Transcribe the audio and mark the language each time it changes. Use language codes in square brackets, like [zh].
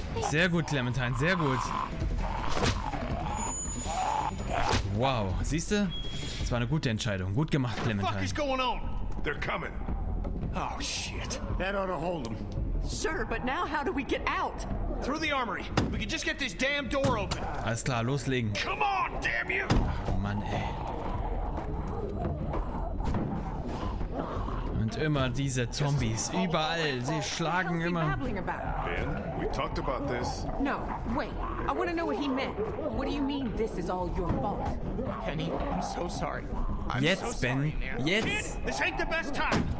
[de] Sehr gut, Clementine, sehr gut. Wow, siehst du? Das war eine gute Entscheidung. Gut gemacht, Clementine. [en] What the fuck is going on? They're coming. Oh shit. That ought to hold them. Sir, but now how do we get out? Through the armory. We can just get this damn door open. [de] Alles klar, loslegen. [en] Come on, damn you! [de] Ach, Mann, ey. Und immer diese Zombies, überall, sie schlagen immer. [en] Ben, we talked about this. No, wait, I want to know what he meant. What do you mean this is all your fault? Kenny, I'm so sorry. I'm [de] jetzt, [en] so sorry, [de] Ben, jetzt. [en] Kid, this ain't the best time.